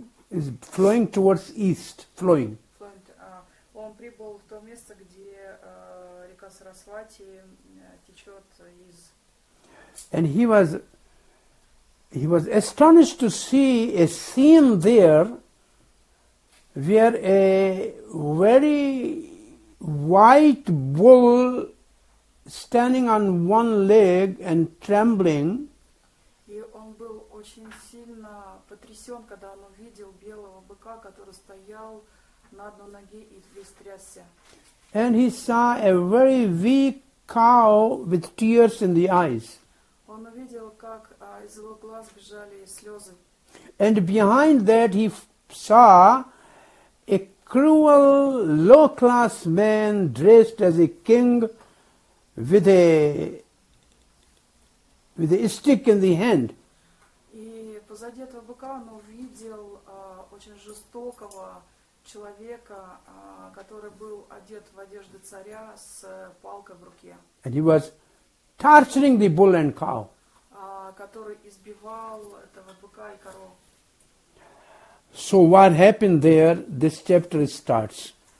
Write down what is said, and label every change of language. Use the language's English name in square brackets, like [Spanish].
[English] Is flowing towards east, flowing. [Russian] Он прибыл в то место, где река Сарасвати течет из. [English] And he was astonished to see a scene there where a very white bull standing on one leg and trembling. [Russian] Очень сильно потрясен, когда он увидел белого быка, который стоял на одной ноге и весь трясся. [English] And he saw a very weak cow with tears in the eyes. [Russian] Он увидел, как из его глаз бежали слезы. [English] And behind that he saw a cruel, low-class man dressed as a king with a stick in the hand. [Russian] Позади этого быка он увидел очень жестокого человека, который был одет в одежды царя с палкой в руке. [English] And he was torturing the bull and cow. [Russian] Который избивал этого быка и коров. [English] So what happened there, this chapter starts.